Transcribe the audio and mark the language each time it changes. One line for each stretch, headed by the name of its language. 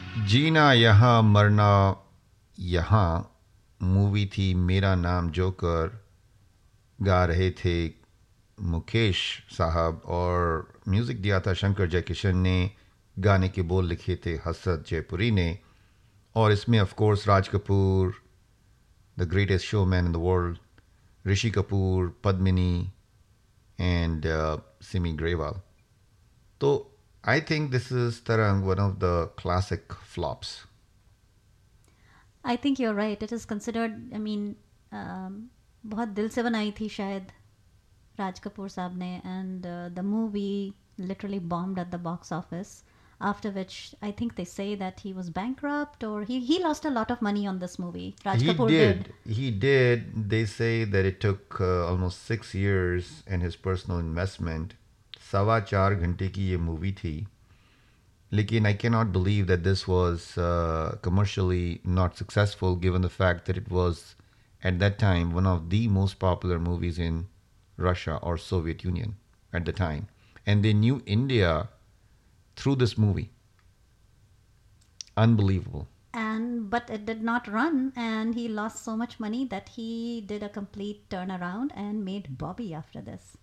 Hindi: जीना यहाँ मरना यहाँ मूवी थी मेरा नाम जोकर, गा रहे थे मुकेश साहब और म्यूज़िक दिया था शंकर जयकिशन ने, गाने के बोल लिखे थे हसरत जयपुरी ने, और इसमें of course Raj Kapoor
English: the greatest showman in the world,
Hindi: Rishi Kapoor, Padmini and Simi Grewal. तो
English: I think this is Tarang, one of the classic flops. I think you're right. It is considered, I mean,
Hindi: bahut dil se banayi thi shayad Raj Kapoor saab ne,
English: and the movie literally bombed at the box office, after which I think they say that he was bankrupt or he lost a lot of money on this movie. Raj Kapoor did. They say that it took almost 6 years and his personal investment.
Hindi: 4.25 घंटे की ये movie थी, लेकिन
English: I can not believe that this was commercially not successful given the fact that it was at that time one of the most popular movies in Russia और Soviet Union at the time, and they knew India through this movie. Unbelievable. And but it did not run, and he lost so much money that he did a complete turnaround and made Bobby after this.